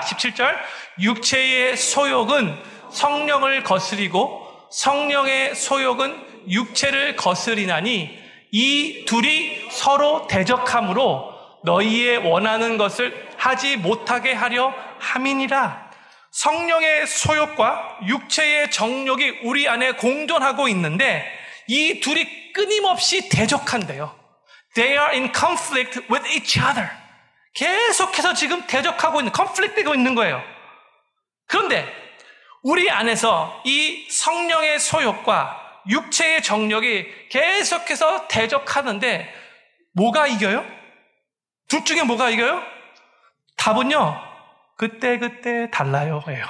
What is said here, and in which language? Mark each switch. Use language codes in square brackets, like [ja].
[ko] 17절 육체의 소욕은 성령을 거스리고 성령의 소욕은 육체를 거스리나니 이 둘이 서로 대적함으로 너희의 원하는 것을 하지 못하게 하려 함이니라. 성령의 소욕과 육체의 정욕이 우리 안에 공존하고 있는데 이 둘이 끊임없이 대적한대요. [en] They are in conflict with each other. [ko] 계속해서 지금 대적하고 있는, conflict되고 있는 거예요. 그런데 우리 안에서 이 성령의 소욕과 육체의 정욕이 계속해서 대적하는데 뭐가 이겨요? 둘 중에 뭐가 이겨요? 답은요. 그때그때 달라요.